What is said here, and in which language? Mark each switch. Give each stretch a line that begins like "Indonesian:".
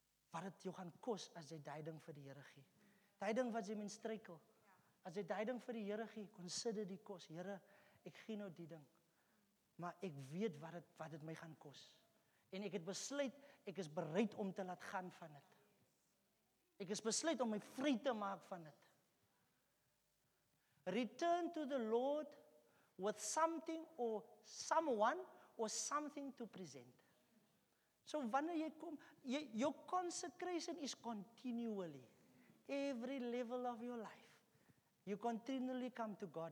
Afrikaans: Wat het jou gaan kos as jy die ding vir die Here gee? Die ding wat jy min struikel. As jy die ding vir die Here gee, consider die kos. Here, ek gee nou die ding. Maar ek weet wat het my gaan kos. En ek het besluit, ek is bereid om te laat gaan van dit. Ek is besluit om my vry te maak van dit.
English: Return to the Lord with something or someone or something to present.
Afrikaans: So wanneer jy kom,
English: your consecration is continually. Every level of your life. You continually come to God.